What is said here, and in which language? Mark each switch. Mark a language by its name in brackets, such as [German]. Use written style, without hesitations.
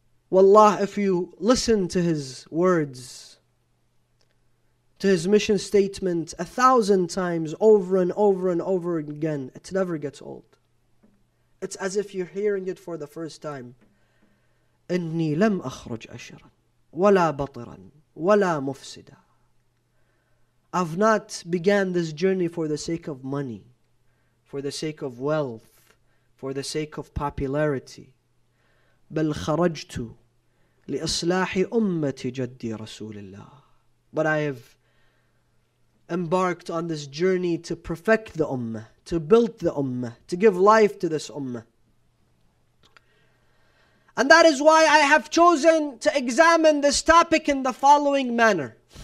[English] Wallah, if you listen to his words, to his mission statement 1,000 times over and over and over again, it never gets old. It's as if you're hearing it for the first time. [Arabic] إني لم أخرج أشرا ولا بطرا ولا مفسدا. [English] I've not began this journey for the sake of money, for the sake of wealth, for the sake of popularity. [Arabic] بل خرجت لإصلاح أمة جدي رسول الله. [English] But I have embarked on this journey to perfect the ummah, to build the ummah, to give life to this ummah. And that is why I have chosen to examine this topic in the following manner.